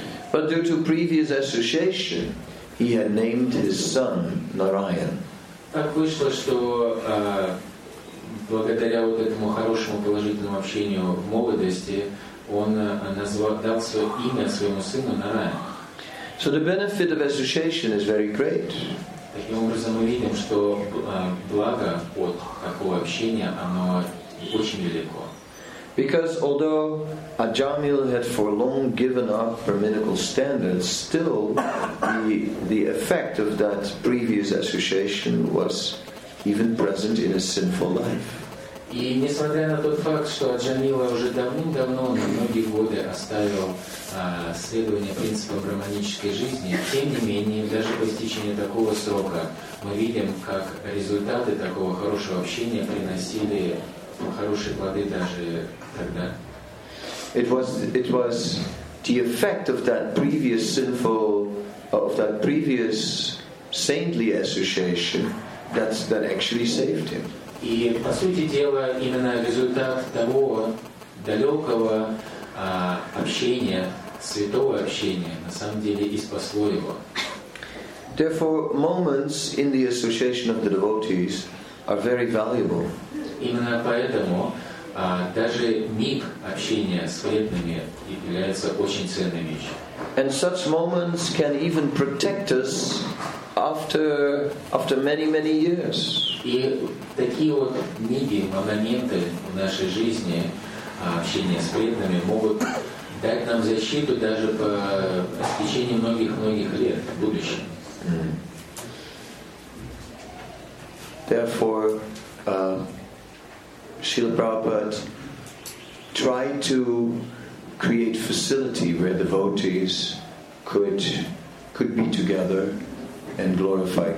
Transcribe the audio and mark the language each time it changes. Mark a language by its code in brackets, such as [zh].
[en] But due to previous association, he had named his son Narayan. [ru] Так вышло, что благодаря вот этому хорошему положительному общению в молодости он дал свое имя своему сыну Нарайан. [en] So the benefit of association is very great. [ru] Таким образом, мы видим, что благо от такого общения, оно очень велико. [en] Because although Ajamil had for long given up brahminical standards, still the effect of that previous association was even present in his sinful life. [ru] И несмотря на тот факт, что Аджамила уже давным-давно, на многие годы оставил следование принципам брахманической жизни, тем не менее, даже по истечении такого срока, мы видим, как результаты такого хорошего общения приносили хорошие плоды даже тогда. [en] It was the effect of that previous sinful, of that previous saintly association that actually saved him. [ru] И, по сути дела, именно результат того далекого общения, святого общения, на самом деле и спасло его. [en] Therefore, moments in the association of the devotees are very valuable. [ru] Именно поэтому даже миг общения с преданными является очень ценной вещью. [en] And such moments can even protect us after many, many years. [ru] И такие вот миги, моменты в нашей жизни, общения с преданными, могут дать нам защиту даже по истечении многих-многих лет в будущем. Mm-hmm. [en] Therefore, Srila Prabhupada tried to create facility where devotees could be together and glorify